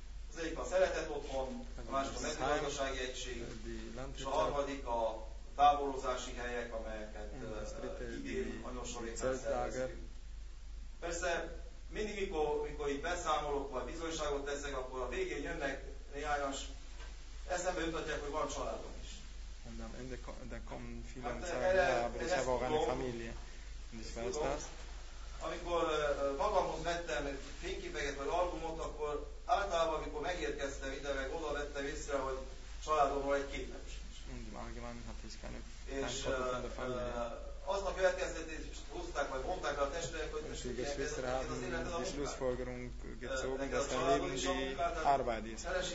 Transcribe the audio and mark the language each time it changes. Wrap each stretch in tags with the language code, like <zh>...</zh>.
<hu>Az egyik a szeretet otthon, a másik a mezőgazdasági egység, és a harmadik a táborozási helyek, amelyeket idén nagyon sor éppen szervezünk. Persze mindig, mikor itt beszámolok, vagy bizonyságot teszek, akkor a végén jönnek néhányan, és eszembe jutatják, hogy van családom.</hu> <de>Und am Ende kommen viele und sagen, ja, aber ich habe auch eine Familie. Und ich weiß das.</de> <hu>Amikor magamhoz vettem fényképeket vagy albumot, akkor általában, amikor megérkeztem ide, meg oda vettem észre, hogy családomról egy képem sincs.</hu> <de>Und im Allgemeinen hatte ich keine Fotos von der Familie.</de> <hu>Azt a következtetést hozták, vagy mondták rá a testvérek, hogy most ugye ez az életed a</hu> <de>Schlussfolgerung gezogen, dass dein Leben die Arbeit ist.</de>